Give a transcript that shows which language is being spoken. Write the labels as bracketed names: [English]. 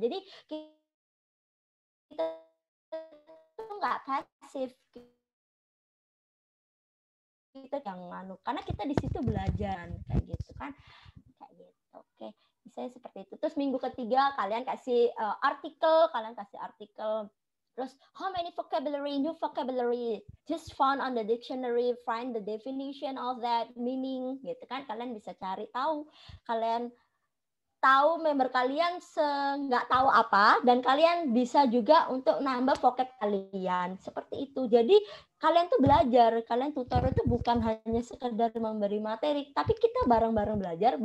[Indonesian] Jadi kita tuh nggak pasif. Kita yang nganu karena kita di situ belajar kayak gitu kan, kayak gitu. Oke, misalnya seperti itu. Terus minggu ketiga kalian kasih artikel, kalian kasih artikel. Terus [English] how many vocabulary, new vocabulary just found on the dictionary, find the definition of that meaning [Indonesian] gitu kan. Kalian bisa cari tahu, kalian tahu member kalian nggak tahu apa, dan kalian bisa juga untuk nambah vocab kalian seperti itu. Jadi kalian tuh belajar, kalian tutor itu bukan hanya sekedar memberi materi, tapi kita bareng-bareng belajar.